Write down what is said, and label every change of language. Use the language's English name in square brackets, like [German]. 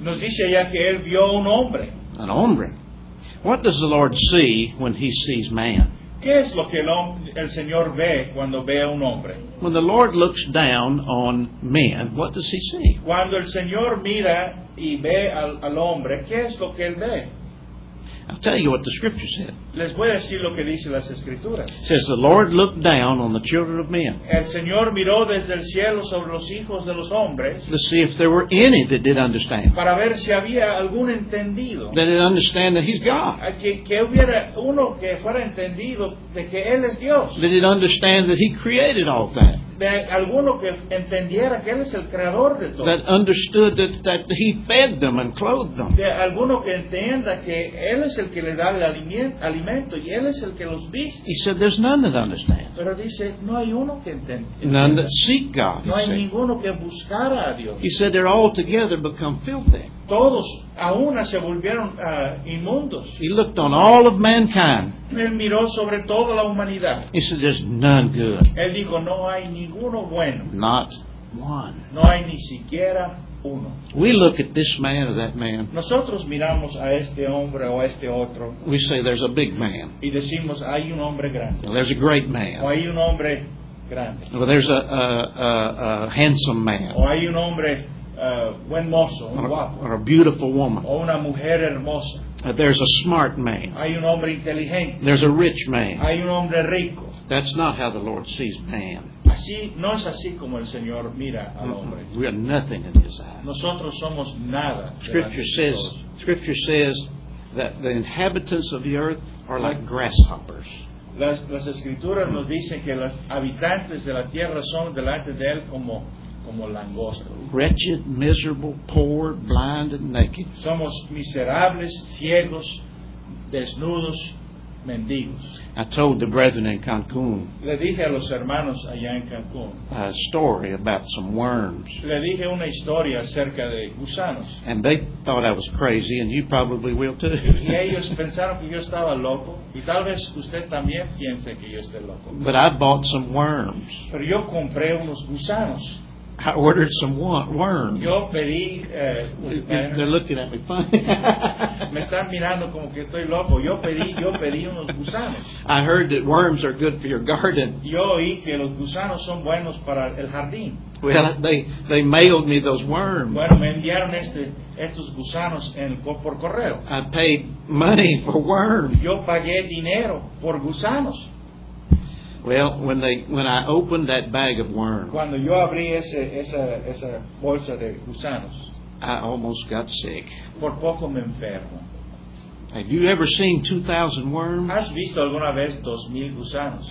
[Spanish] Nos dice ya que él vio un hombre. An hombre. [English] What does the Lord see when he sees man? [Spanish] ¿Qué es lo que el Señor ve cuando ve a un hombre? [English] When the Lord looks down on man, what does he see? [Spanish] Cuando el Señor mira y ve al hombre, ¿qué es lo que él ve? [English] I'll tell you what the scripture said. [Spanish] Les voy a decir lo que dice las escrituras. [English] It says the Lord looked down on the children of men. [Spanish] El Señor miró desde el cielo sobre los hijos de los hombres. [English] To see if there were any that did understand. [Spanish] Para ver si había algún entendido. [English] That did understand that he's God. [Spanish] Que hubiera uno que fuera entendido de que él es Dios. [English] That did understand that he created all that. [Spanish] De alguno que entendiera que él es el creador de todo. [English] That understood that he fed them and clothed them. [Spanish] De alguno que entienda que él es el que le da el alimento y él es el que los viste. [English] He said, there's none that understands. [Spanish] Pero dice, no hay uno que entienda. [English] None that seek God. [Spanish] No hay ninguno que buscara a Dios. [English] He said, they're all together become filthy. [Spanish] Todos a una se volvieron inmundos. [English] He looked on all of mankind. [Spanish] Él miró sobre toda la humanidad. [English] He said, there's none good. [Spanish] Él dijo, no hay ninguno bueno. [English] Not one. [Spanish] No hay ni siquiera uno. [English] We look at this man or that man. [Spanish] Nosotros miramos a este hombre o a este otro. [English] We say, there's a big man. [Spanish] Y decimos, hay un hombre grande. [English] Well, there's a great man. [Spanish] O hay un hombre grande. [English] Well, there's a handsome man. [Spanish] O hay un hombre buen mozo, un guapo. [English] Or a beautiful woman. [Spanish] O una mujer hermosa. [English] There's a smart man. [Spanish] Hay un hombre inteligente. [English] There's a rich man. [Spanish] Hay un hombre rico. [English] That's not how the Lord sees man. [Spanish] Así, no es así como el Señor mira al hombre. [English] We are nothing in his eyes. [Spanish] Nosotros somos nada. [English] Scripture says that the inhabitants of the earth are like grasshoppers. [Spanish] Las escrituras nos dicen que los habitantes de la tierra son delante de él como langostas. [English] Wretched, miserable, poor, blind and naked. [Spanish] Somos miserables, ciegos, desnudos, mendigos. [English] I told the brethren in Cancun. [Spanish] Le dije a los hermanos allá en Cancun. [English] A story about some worms. [Spanish] Le dije una historia acerca de gusanos. [English] And they thought I was crazy, and you probably will too. [Spanish] Y ellos pensaron que yo estaba loco, y tal vez usted también piense que yo esté loco. [English] But I bought some worms. [Spanish] Pero yo compré unos gusanos. [English] I ordered some worms. [Spanish] Yo pedí, [English] they're looking at me funny. [Spanish] Me están mirando como que estoy loco. Yo pedí unos gusanos. [English] I heard that worms are good for your garden. [Spanish] Yo oí que los gusanos son buenos para el jardín. [English] Well, they mailed me those worms. [Spanish] Bueno, me enviaron estos gusanos por correo. [English] I paid money for worms. [Spanish] Yo pagué dinero por gusanos. [English] Well, when I opened that bag of worms, [Spanish] cuando yo abrí esa bolsa de gusanos, [English] I almost got sick. [Spanish] Por poco me enfermo. [English] Have you ever seen 2,000 worms? [Spanish] ¿Has visto alguna vez 2,000 gusanos?